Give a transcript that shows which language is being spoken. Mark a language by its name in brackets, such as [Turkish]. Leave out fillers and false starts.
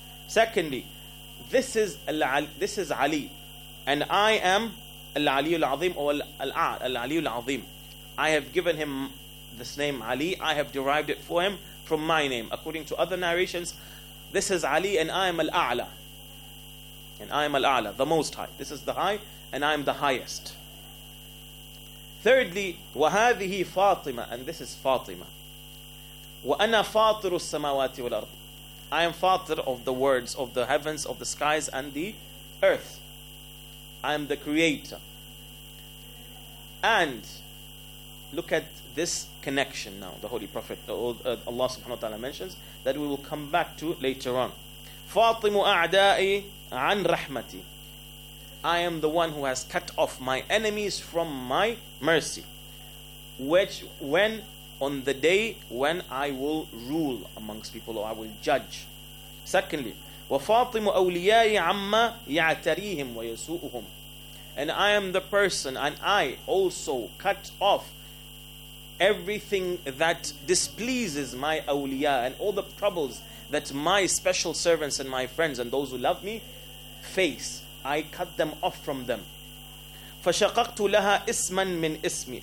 [English] Secondly, this is Ali, and I am Al-Ali Al-Azim or Al-Ali Al-Azim. I have given him this name Ali. I have derived it for him from my name. According to other narrations, this is Ali and I am Al-A'la. And I am Al-A'la, the most high. This is the high and I am the highest. Thirdly, [Arabic] وَهَذِهِ فَاطِمَةً. [English] And this is Fatima. [Arabic] وَأَنَا فَاطِرُ السَّمَوَاتِ وَالْأَرْضِ. [English] I am Fatir of the words, of the heavens, of the skies and the earth. I am the creator. And look at this connection now. The Holy Prophet, Allah subhanahu wa ta'ala mentions that we will come back to later on. [Arabic] فَاطِمُ أَعْدَائِي عَنْ رَحْمَتِي. [English] I am the one who has cut off my enemies from my mercy. Which when on the day when I will rule amongst people or I will judge. Secondly, [Arabic] وَفَاطِمُ أَوْلِيَائِي عَمَّا يَعْتَرِيهِمْ وَيَسُوءُهُمْ. [English] And I am the person and I also cut off everything that displeases my awliya and all the troubles that my special servants and my friends and those who love me face. I cut them off from them. [Arabic] فَشَقَقْتُ لَهَا إِسْمًا مِّنْ إِسْمِي.